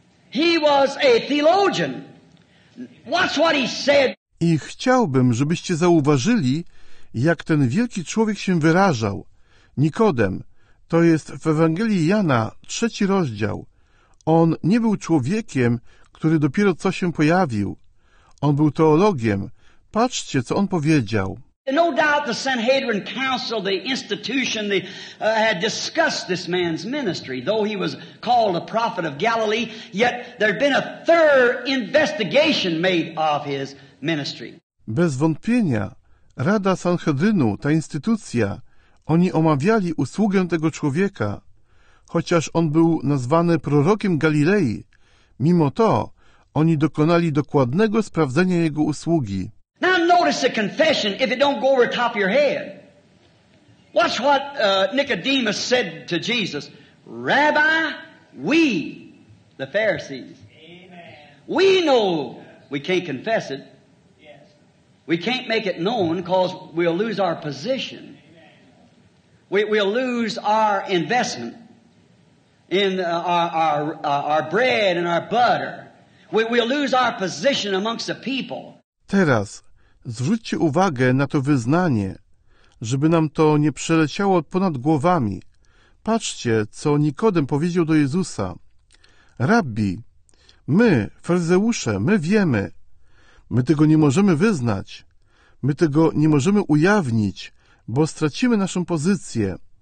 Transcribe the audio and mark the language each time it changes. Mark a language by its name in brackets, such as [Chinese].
[English] He was a theologian. Watch what he said. [Polish] I chciałbym, żebyście zauważyli, jak ten wielki człowiek się wyrażał. Nikodem, to jest w Ewangelii Jana, 3 rozdział. On nie był człowiekiem, który dopiero co się pojawił. On był teologiem. Patrzcie, co on powiedział. [English] No doubt the Sanhedrin council, the institution, had discussed this man's ministry. Though he was called a prophet of Galilee, yet there had been a thorough investigation made of his ministry. [Polish] Bez wątpienia, Rada Sanhedrynu, ta instytucja, oni omawiali usługę tego człowieka. Chociaż on był nazwany prorokiem Galilei, mimo to oni dokonali dokładnego sprawdzenia jego usługi. [English] Now notice the confession if it don't go over the top of your head. Watch what Nicodemus said to Jesus. Rabbi, we, the Pharisees, amen, we know we can't confess it. We can't make it known because we'll lose our position. We'll lose our investment in our bread and our butter. We'll lose our position amongst the people. [Polish] Teraz zwróćcie uwagę na to wyznanie, żeby nam to nie przeleciało ponad głowami. Patrzcie, co Nikodem powiedział do Jezusa. Rabbi, my, faryzeusze, my wiemy. My tego nie możemy wyznać. My tego nie możemy ujawnić, bo stracimy naszą pozycję.